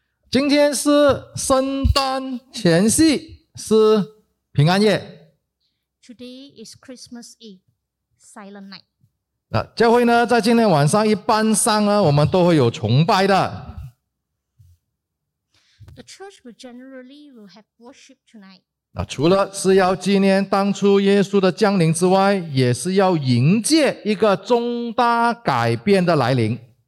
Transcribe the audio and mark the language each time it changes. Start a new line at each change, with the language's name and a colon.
Chinese: 今天是圣诞前夕，是平安夜。
English: Today is Christmas Eve, Silent Night.
Chinese: 教会呢，在今天晚上一般上呢，我们都会有崇拜的。
English: The church will generally will have worship tonight.
Chinese: 除了是要纪念当初耶稣的降临之外，也是要迎接一个重大改变的来临。